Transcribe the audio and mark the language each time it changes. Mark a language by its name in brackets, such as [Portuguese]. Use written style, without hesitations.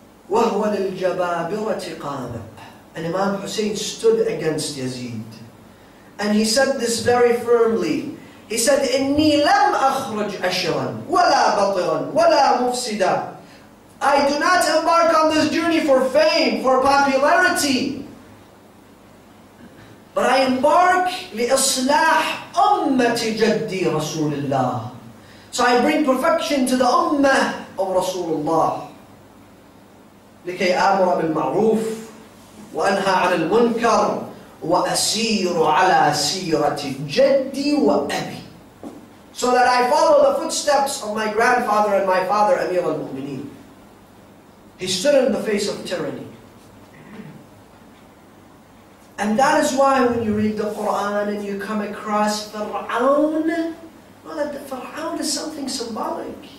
[Arabic] وَهُوَ لِلْجَبَابِرَةِ قَامِقْ. [English] And Imam Hussein stood against Yazid. And he said this very firmly. He said, [Arabic] إِنِّي لَمْ أَخْرُجْ أَشْرًا وَلَا بَطِرًا وَلَا مُفْسِدًا. [English] I do not embark on this journey for fame, for popularity. But I embark [Arabic] لإصلاح أمة جدي رسول الله. [English] So I bring perfection to the ummah of رسول الله. [Arabic] لكي آمر بالمعروف وأنهى عن المنكر وأسير على سيرة جدي وأبي. [English] So that I follow the footsteps of my grandfather and my father Amir al-Mu'mineen. He stood in the face of tyranny. And that is why when you read the Quran and you come across Fir'aun, well, that the Fir'aun is something symbolic.